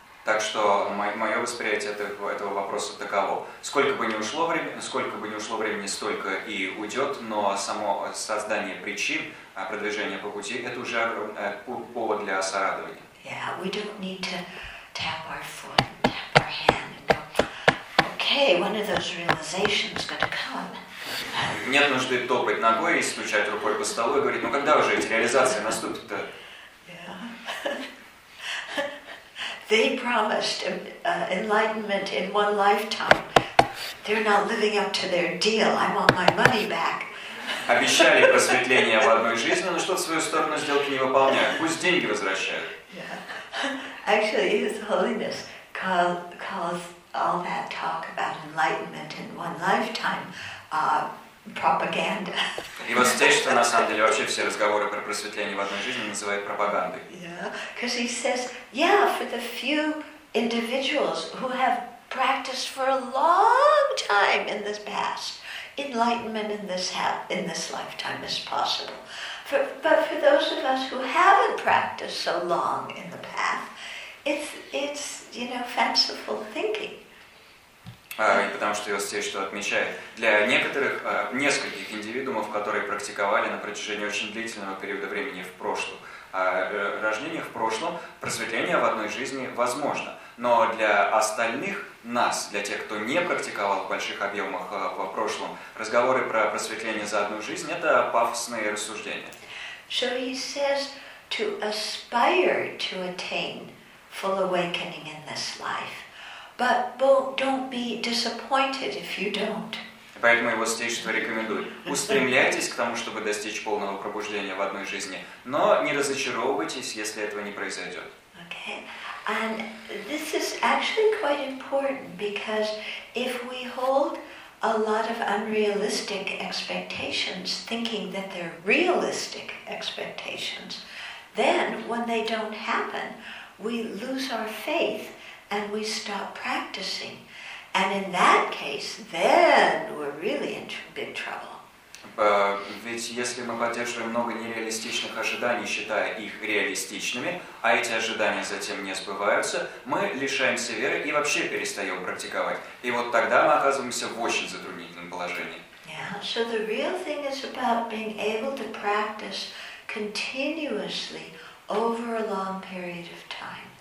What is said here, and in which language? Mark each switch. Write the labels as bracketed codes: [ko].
[ru] Так что мое восприятие этого вопроса таково. Сколько бы ни ушло времени, столько и уйдет, но само создание причин продвижения по пути – это уже повод для осарадования. [en] Yeah, we don't need to tap our foot and tap our hand and go, okay, when are those realizations going to come? [ru] Нет нужды топать ногой и стучать рукой по столу и говорить, ну когда уже эти реализации наступят-то? [en] They promised enlightenment in one lifetime. They're not living up to their deal. I want my money back. [ru] Обещали просветление в одной жизни, но что в свою сторону сделки не выполняют. Пусть деньги возвращают. [en] Actually, His Holiness calls all that talk about enlightenment in one lifetime propaganda. [ru] Его святейшество, на самом деле, вообще все разговоры про просветление в одной жизни называет пропагандой. [en] Because he says, yeah, for the few individuals who have practiced for a long time in this past, enlightenment in this lifetime is possible. But for those of us who haven't practiced so long in the path, it's you know, fanciful thinking. [ru] Потому что его святейшество отмечает, для некоторых, нескольких индивидуумов, которые практиковали на протяжении очень длительного периода времени в прошлом, рождение в прошлом, просветление в одной жизни возможно. Но для остальных нас, для тех, кто не практиковал в больших объемах в прошлом, разговоры про просветление за одну жизнь – это пафосные рассуждения. [en] So he says to aspire to attain full awakening in this life. But don't be disappointed if you don't. [ru] Поэтому его стишество рекомендует. Устремляйтесь к тому, чтобы достичь полного пробуждения в одной жизни, но не разочаровывайтесь, если этого не произойдет. Okay. [en] And this is actually quite important because if we hold a lot of unrealistic expectations, thinking that they're realistic expectations, then when they don't happen, we lose our faith. And we stop practicing, and in that case, then we're really in big trouble. [ru] Ведь если мы поддерживаем много нереалистичных ожиданий, считая их реалистичными, а эти ожидания затем не сбываются, мы лишаемся веры и вообще перестаем практиковать. И вот тогда мы оказываемся в очень затруднительном положении. Yeah. [en] So the real thing is about being able to practice continuously over a long period of time.